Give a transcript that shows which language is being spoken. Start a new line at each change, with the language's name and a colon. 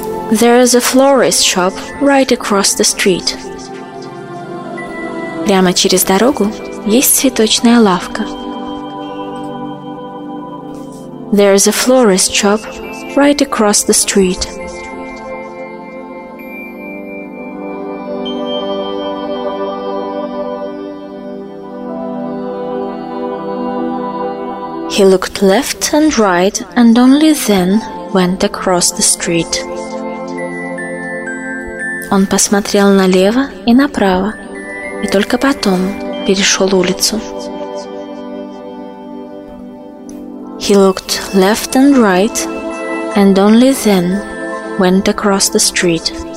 English: There is a florist shop right across the street.
Russian: Прямо через дорогу есть цветочная лавка.
English: There is a florist shop right across the street. He looked left and right and only then went across the street.
Russian: Он посмотрел налево и направо, и только потом перешел улицу.
English: He looked left and right, and only then went across the street.